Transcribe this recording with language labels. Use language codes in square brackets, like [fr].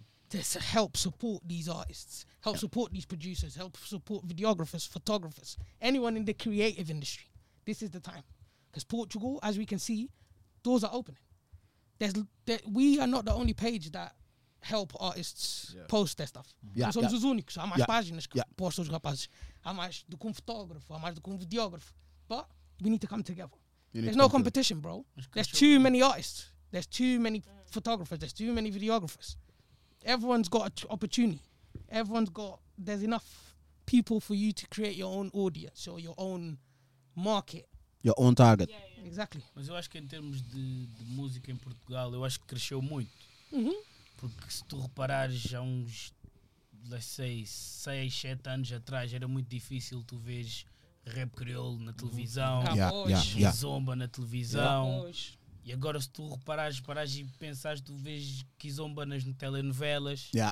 [en] To help support these artists, help support these producers, help support videographers, photographers, anyone in the creative industry. This is the time. Because Portugal, as we can see, doors are opening. We are not the only page that help artists post their stuff. [pt] Não somos os únicos. Há mais páginas que postam os rapazes. Há mais do que fotógrafo, há mais do que videógrafo. [en] But we need to come together. There's no competition, bro. There's too many artists. There's too many photographers. There's too many videographers. Everyone's got an opportunity. Everyone's got... There's enough people for you to create your own audience or your own market. Your own target. Yeah, yeah. Exactly. [pt] Mas eu acho que em termos de música em Portugal, eu acho que cresceu muito. Porque se tu reparares, já uns, [en] let's say, [pt] 6, 7 anos atrás, era muito difícil tu veres rap crioulo na televisão. Zomba na televisão. E agora, se tu reparares, parares e pensares, tu vês kizomba nas telenovelas.